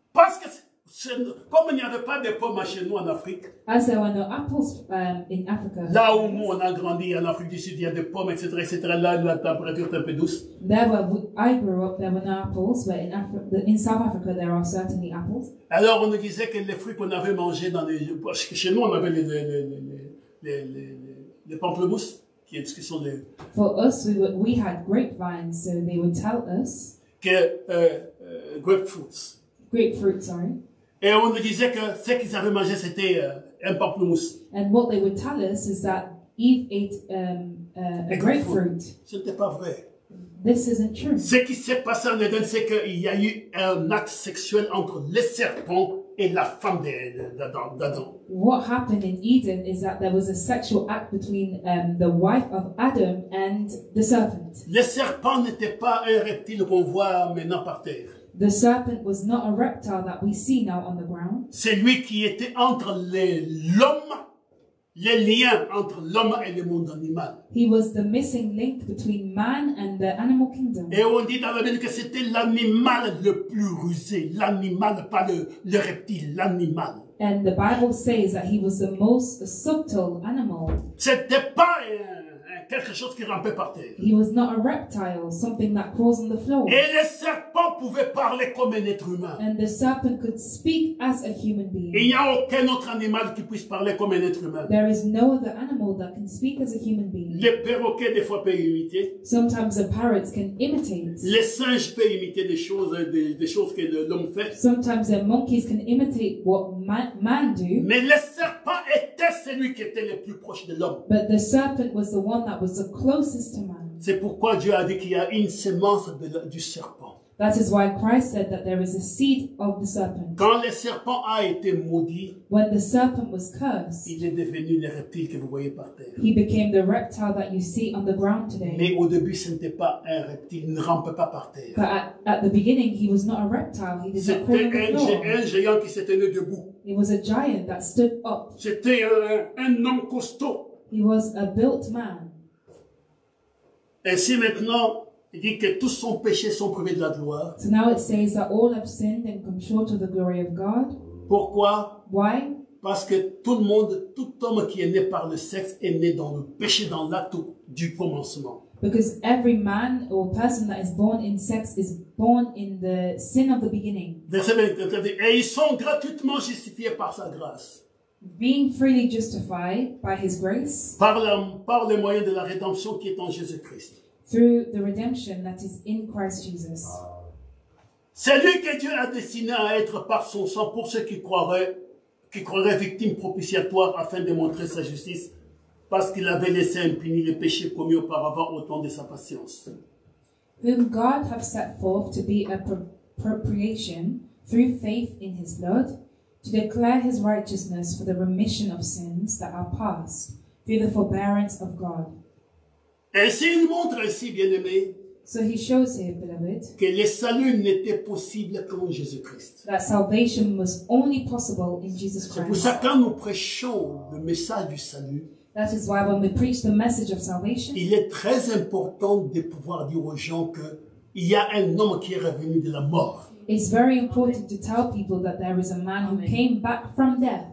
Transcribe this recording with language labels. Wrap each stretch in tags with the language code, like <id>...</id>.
<fr>Parce que comme il n'y avait pas de pommes chez nous en Afrique.</fr> <en>As there were no apples in Africa.</en> <fr>Là où nous on a grandi en Afrique du Sud, il y a des pommes, etc., etc. Là, la température est un peu douce.</fr> <en>There were no apples, but in South Africa there are certainly apples.</en> <fr>Alors on nous disait que les fruits qu'on avait mangés dans les parce que chez nous on avait les pamplemousses qui sont les.</fr> <en>For us, we had grapevines, so they would tell us.</en> <fr>Que grapefruits.</fr> <en>Grapefruit, sorry.</en> <fr>Et on nous disait que ce qu'ils avaient mangé c'était un pamplemousse.</fr> <en>And what they would tell us is that Eve ate a grapefruit.</en> <fr>Ce n'était pas vrai.</fr> <en>This isn't true.</en> <fr>Ce qui s'est passé en Eden, c'est qu'il y a eu un acte sexuel entre le serpent et la femme d'Adam.</fr> <en>What happened in Eden is that there was a sexual act between the wife of Adam and the serpent.</en> <fr>Le serpent n'était pas un reptile qu'on voit maintenant par terre.</fr> <en>The serpent was not a reptile that we see now on the ground.</en> <fr>C'est lui qui était entre l'homme, les liens entre l'homme et le monde animal.</fr> <en>He was the missing link between man and the animal kingdom.</en> <fr>Et on dit dans la Bible que c'était l'animal le plus rusé, l'animal, pas le reptile, l'animal.</fr> <en>And the Bible says that he was the most subtle animal.</en> <fr>C'était pas quelque chose qui rampait par terre.</fr> <en>He was not a reptile, something that crawls on the floor.</en> <fr>Et le serpent pouvait parler comme un être humain.</fr> <en>And the serpent could speak as a human being.</en> <fr>Il n'y a aucun autre animal qui puisse parler comme un être humain.</fr> <en>There is no other animal that can speak as a human being.</en> <fr>Les perroquets des fois peuvent imiter.</fr> <en>Sometimes the parrots can imitate.</en> <fr>Les singes peuvent imiter des choses que l'homme fait.</fr> <en>Sometimes the monkeys can imitate what man do.</en> <fr>Mais le serpent était celui qui était le plus proche de l'homme.</fr> <en>But the serpent was the one that was the closest to man.</en> <fr>C'est pourquoi Dieu a dit qu'il y a une semence du serpent.</fr> <en>That is why Christ said that there is a seed of the serpent.</en> <fr>Quand le serpent a été maudit,</fr> <en>when the serpent was cursed,</en> <fr>il est devenu le reptile que vous voyez par terre.</fr> <en>He became the reptile that you see on the ground today.</en> <fr>Mais au début, ce n'était pas un reptile, il ne rampait pas par terre.</fr> <en>But at the beginning, he was not a reptile. He did not crawl on the floor.</en> <fr>C'était un géant qui s'était tenu debout.</fr> <en>It was a giant that stood up.</en> <fr>C'était un homme costaud.</fr> <en>He was a built man.</en> <fr>Ainsi maintenant, il dit que tous son péché sont privés de la gloire.</fr> <en>So now it says that all have sinned and come short of the glory of God.</en> <fr>Pourquoi?</fr> <en>Why?</en> <fr>Parce que tout le monde, tout homme qui est né par le sexe est né dans le péché, dans l'acte du commencement.</fr> <en>Because every man or person that is born in sex is born in the sin of the beginning.</en> <fr>Verset 20, et ils sont gratuitement justifiés par sa grâce.</fr> <en>Being freely justified by his grace.</en> <fr>Par le moyen de la rédemption qui est en Jésus Christ.</fr> <en>Through the redemption that is in Christ Jesus.</en> <fr>C'est lui que Dieu a destiné à être par son sang pour ceux qui croiraient victime propitiatoire afin de montrer sa justice parce qu'il avait laissé impuni les péchés commis auparavant au temps de sa patience.</fr> <en>Whom God have set forth to be a propitiation through faith in his blood. To declare his righteousness for the remission of sins that are past through the forbearance of God.</en> <fr>Et s'il montre ainsi, bien-aimé,</fr> <en>so he shows here, beloved,</en> <fr>que le salut n'était possible qu'en Jésus-Christ.</fr> <en>That salvation was only possible in Jesus Christ.</en> <fr>C'est pour ça quand nous prêchons le message du salut,</fr> <en>that is why when we preach the message of salvation,</en> <fr>il est très important de pouvoir dire aux gens qu'il y a un homme qui est revenu de la mort.</fr> <en>It's very important to tell people that there is a man who came back from death.</en>